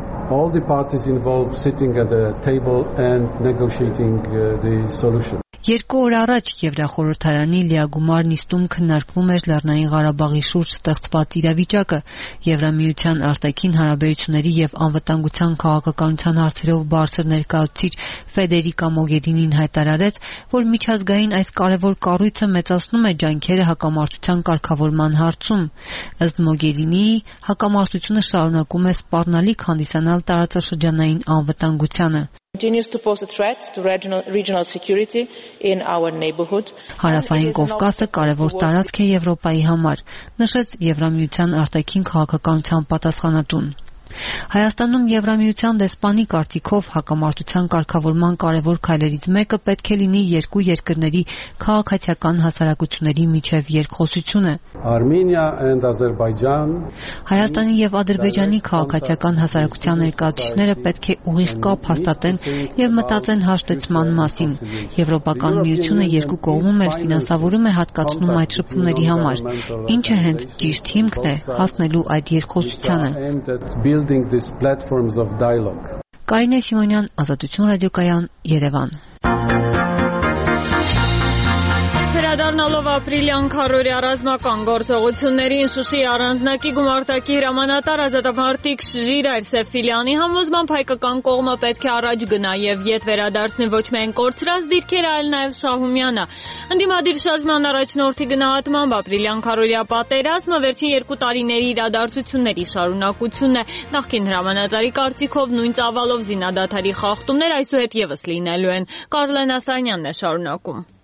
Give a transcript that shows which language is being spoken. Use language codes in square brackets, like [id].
[en] All the parties involved sitting at the table and negotiating the solution. [hy] Երկու օր առաջ Եվրախորհրդարանի լիագումար նիստում քննարկվում էր Լեռնային Ղարաբաղի շուրջ ստեղծված իրավիճակը, Եվրամիության արտաքին հարաբերությունների եւ անվտանգության քաղաքականության հարցերով բարձր ներկայացուցիչ Ֆեդերիկա Մոգերինին հայտարարեց, որ միջազգային այս կարևոր կառույցը մեծացնում է ջանքերը հակամարտության կարգավորման հարցում։ Ըստ Մոգերինի, հակամարտությունը շարունակում է սպառնալիք հանդիսանալ տարածաշրջանային անվտանգությանը։ [en] Continues to pose a threat to regional security in our neighborhood. [hy] Հարավային Կովկասը կարևոր տարածք է Եվրոպայի համար, նշեց Եվրամիության արտաքին քաղաքականության պատասխանատուն։ Հայաստանում Եվրամիության դեսպանի կարծիքով հակամարտության կարգավորման կարևոր քայլերից մեկը պետք է լինի երկու երկրների քաղաքացիական հասարակությունների միջև երկխոսությունը։ [en] Armenia and Azerbaijan [hy] Հայաստանի եւ Ադրբեջանի քաղաքացիական հասարակության ներկայացուցիչները պետք է ուղիղ կապ հաստատեն եւ մտածեն հաշտեցման մասին։ Եվրոպական միությունը երկու կողմում էլ ֆինանսավորում է հատկացնում այդ շփումների համար։ Ինչը հենց ճիշտ հիմքն է հասնելու այդ երկխոսությանը։ [en] Building these platforms of dialogue. [hy] Կարինե Սիմոնյան, Ազատություն ռադիոկայան, Երևան։ Վերադառնալով ապրիլյան քառորյա ռազմական գործողությունների Սուսի առանձնակի գումարտակի հրամանատար Ազատամարտիկ Ժիրայր Սեֆիլյանի համոզման հայկական կողմը պետք է առաջ գնա եւ ետ վերադարձնի ոչ միայն կորցրած դիրքերը, այլ նաեւ Շահումյանը։ Ընդդիմադիր շարժման առաջնորդի գնահատմամբ ապրիլյան քառորյա պատերազմը վերջին երկու տարիների իրադարձությունների շարունակությունն է։ Նախկին հրամանատարի կարծիքով նույն ծավալով զինադադարի խախտումներ այսուհետ եւս լինելու են։ Կարլեն Ասանյանն է շարունակում։